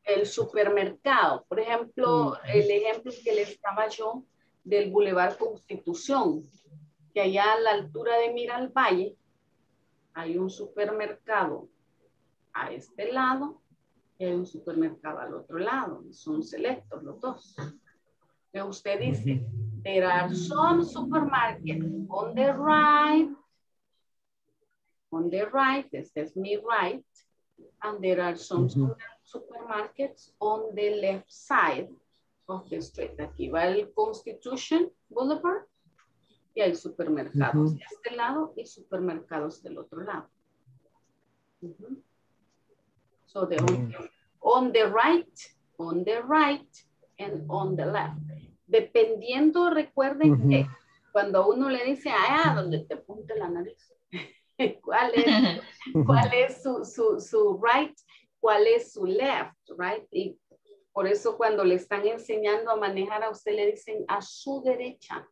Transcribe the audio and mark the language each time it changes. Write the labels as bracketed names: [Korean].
[Spanish] El supermercado, por ejemplo, el ejemplo que les daba yo del Boulevard Constitución, que allá a la altura de Miral Valle hay un supermercado a este lado y hay un supermercado al otro lado. Son selectos los dos. Que usted dice, [English] there are some supermarkets on the right. On the right, this is me right, and there are some supermarkets on the left side of the street. [Spanish] Aquí va el Constitution Boulevard y hay supermercados de este lado y supermercados del otro lado. [English] So the on the right, on the right, and on the left. [Spanish] Dependiendo, recuerden que cuando uno le dice, ay, ¿a dónde te apunte la nariz? ¿Cuál es, cuál es su, su right? ¿Cuál es su left? Right? Y por eso cuando le están enseñando a manejar a usted le dicen a su derecha.